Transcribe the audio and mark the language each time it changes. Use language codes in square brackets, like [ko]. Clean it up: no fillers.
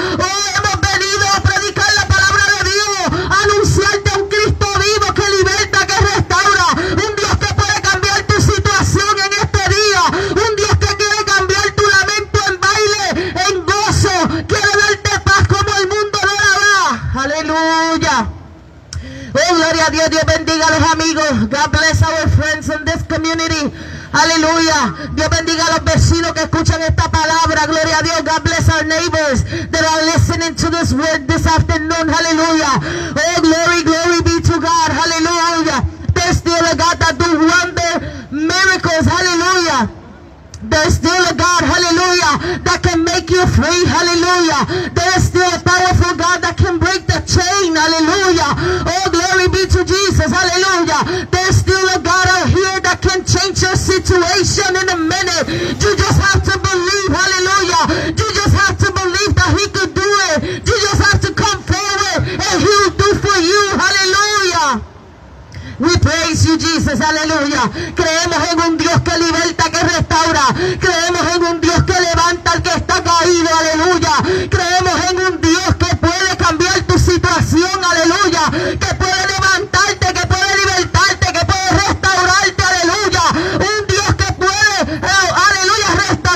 [es] Hoy hemos venido a predicar la palabra de Dios, a anunciarte un Cristo vivo que liberta, que restaura, un Dios que puede cambiar tu situación en este día, un Dios que quiere cambiar tu lamento en baile, en gozo, quiere darte paz como el mundo no la da, aleluya. Oh, gloria a Dios, Dios bendiga a los amigos. [en] God bless our friends in this community. Aleluya. [es] Dios bendiga a los vecinos que escuchan esta palabra. Gloria a Dios. [en] God bless our neighbors that are listening to this word this afternoon. Aleluya. Oh, glory, glory be to God. Aleluya. There's still a God that do wonder miracles. Aleluya. There's still a God, hallelujah, that can make you free, hallelujah. There's still a powerful God that can break the chain, hallelujah. Oh, glory be to Jesus, hallelujah. There's still a God out here that can change your situation in a minute. You just have to believe, hallelujah. You just have to believe that he could do it. You just have to come forward and he'll do for you, hallelujah. We praise you, Jesus, aleluya. [es] Creemos en un Dios que liberta, que restaura. Creemos en un Dios que levanta al que está caído, aleluya. Creemos en un Dios que puede cambiar tu situación, aleluya. Que puede levantarte, que puede libertarte, que puede restaurarte, aleluya. Un Dios que puede, aleluya, restaurarte.